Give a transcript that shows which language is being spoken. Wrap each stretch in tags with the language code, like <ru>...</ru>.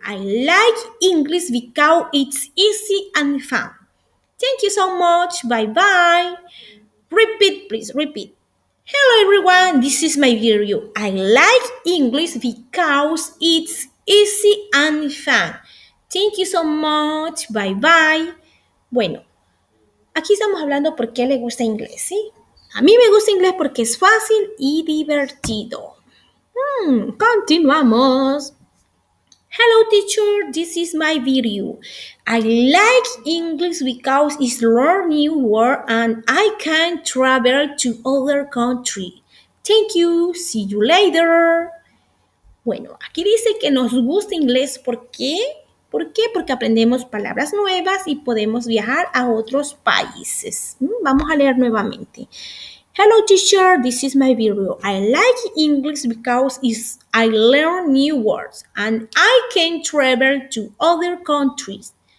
<en>I like English because it's easy and fun. Thank you so much. Bye bye. Repeat, please, repeat. Hello everyone, this is my video. I like English because it's easy and fun. Thank you so much. Bye bye.</en> <es>Bueno, aquí estamos hablando por qué le gusta inglés, ¿sí? A mí me gusta inglés porque es fácil y divertido. Continuamos.</es> <en>Hello teacher, this is my video. I like English because it's learn new word and I can travel to other country. Thank you, see you later.</en> <es>Bueno, aquí dice que nos gusta inglés, ¿por qué? ¿Por qué? Porque aprendemos palabras nuevas y podemos viajar a otros países. Vamos a leer nuevamente.</es> <en>Hello teacher, this is my video. I like English because I learn new words and I can travel to other countries.</en>